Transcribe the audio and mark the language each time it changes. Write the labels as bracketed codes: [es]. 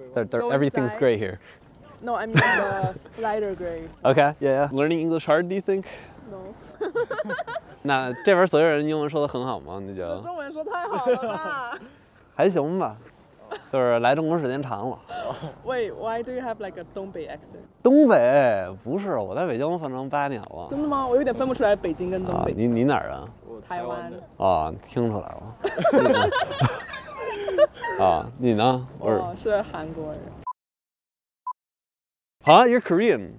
[en] They're everything's gray here. No, I mean the lighter gray. Okay, yeah. Learning English hard, do you think? No. [zh] 那这边所有人英文说得很好吗？你觉得？中文说太好了吧？还行吧，就是来中国时间长了。 [en] Wait, why do you have like a 东北 accent? [zh] 东北不是，我在北京反正八年了。真的吗？我有点分不出来北京跟东北。你哪儿啊？我台湾的。哦，听出来了。啊，你呢？我是韩国人。 [en] Huh? You're Korean?